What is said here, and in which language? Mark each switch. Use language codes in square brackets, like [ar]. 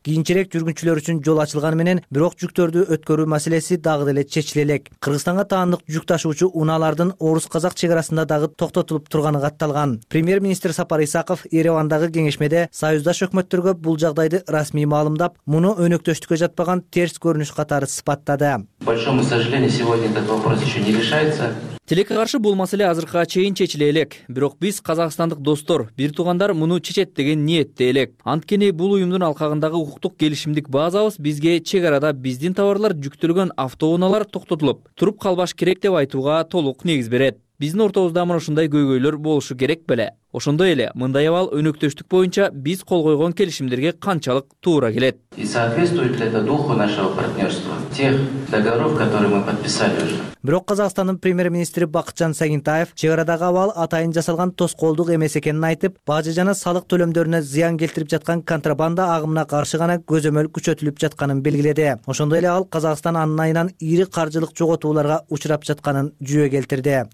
[ky] Кийинчерээк жүргүнчүлөр үчүн жол ачылганы менен, бирок жүктөрдү өткөрүү маселеси дагы деле чечиле элек. Кыргызстанга таандык жүк ташуучу унаалардын орус-казак чек арасында дагы токтотулуп турганы катталган. Премьер-министр Сапар Исаков Еревандагы кеңешмеде союздаш өкмөттөргө бул жагдайды расмий маалымдап, муну өнөктөштүккө жатпаган терс көрүнүш катары сыпаттады. [ru] К большому сожалению, сегодня этот вопрос еще не решается. [ky] Тилекке каршы бул маселе азыркы чейин чечиле элек, бирок биз казакстандык достор, бир туугандар муну чечет деген ниетте элек. Анткени бул уюмдун алкагындагы укуктук келишимдик базабыз бизге чек арада биздин товарлар жүктөлгөн автоунаалар токтотулуп, туруп калбаш керек деп айтууга толук негиз берет. Биздин ортобузда мына ушундай көйгөйлөр болушу керек беле? Ошондой эле мындай абал өнөктөштүк боюнча биз кол койгон келишимдерге канчалык туура келет? [ru] И соответствует ли это духу нашего партнерства, тех договоров, которые мы подписали уже? [ky] Бирок Казакстандын премьер-министри Бакытжан Сагынтаев чек арадагы абал атайын жасалган тоскоолдук эмес экенин айтып, бажы жана салык төлөмдөрүнө зыян келтирип жаткан контрабанда агымына каршы гана көзөмөл күчөтүлүп жатканын белгиледи. Ошондой эле ал Казакстан анын айынан ири каржылык жоготууларга учурап жатканын жүйө келтирди.